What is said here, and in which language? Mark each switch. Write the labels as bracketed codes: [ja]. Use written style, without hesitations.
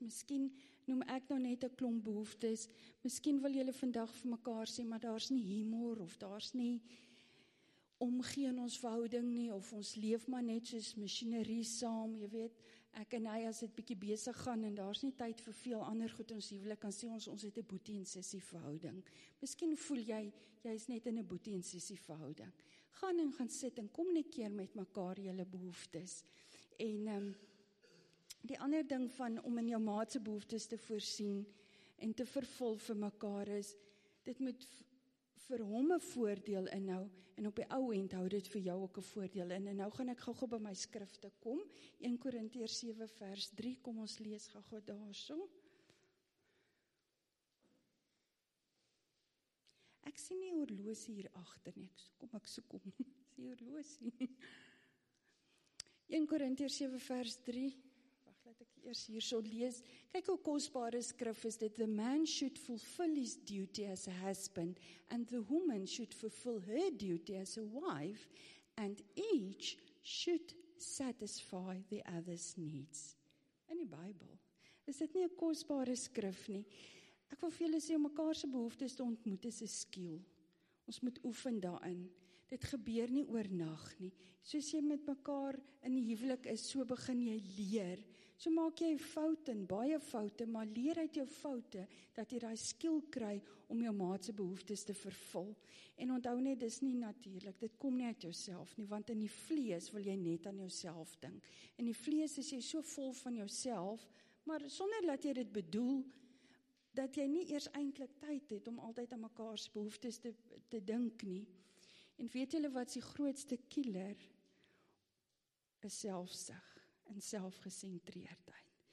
[af] Miskien noem ek nou net 'n klomp behoeftes. Miskien wil julle vandag vir mekaar sê, maar daar's nie humor of daar's nie omgee in ons verhouding nie, of ons leef maar net soos masjinerie saam, jy weet, ek en hy as dit bietjie besig gaan en daar's nie tyd vir veel ander goed ons huwelik, kan sê ons het 'n boetie en sissie verhouding. Miskien voel jy is net in 'n boetie en sissie verhouding. Gaan en gaan sit en kommunikeer met mekaar julle behoeftes. En die ander ding van om in jou maat se behoeftes te voorsien en te vervul vir mekaar is, dit moet vir hom 'n voordeel inhou en op die ou end hou dit vir jou ook 'n voordeel in. En nou gaan ek gou-gou by my skrifte kom. 1 Korintiërs 7 vers 3, kom ons lees gou-gou daarso. Ek sien die horlosie hier agter nie. Kom. Sien horlosie. 1 Korintiërs 7 vers 3. Wag, laat ek eers hierso lees. Kyk hoe kosbare skrif is dit. [en] The man should fulfill his duty as a husband and the woman should fulfill her duty as a wife and each should satisfy the other's needs. [af] In die Bybel. Is dit nie 'n kosbare skrif nie? Ek wil vir julle sê, om mekaar se behoeftes te ontmoet is 'n skill. Ons moet oefen daarin. Dit gebeur nie oornag nie. Soos jy met mekaar in die huwelik is, so begin jy leer. So maak jy foute, baie foute, maar leer uit jou foute, dat jy daai skill kry om jou maat se behoeftes te vervul. En onthou net, dis nie natuurlik, dit kom nie uit jouself nie, want in die vlees wil jy net aan jouself dink. In die vlees is jy so vol van jouself, maar sonder dat jy dit bedoel, dat jy nie eers eintlik tyd het om altyd aan mekaar se behoeftes te dink nie. En weet julle wat die grootste killer is? Selfsug en selfgesentreerdheid.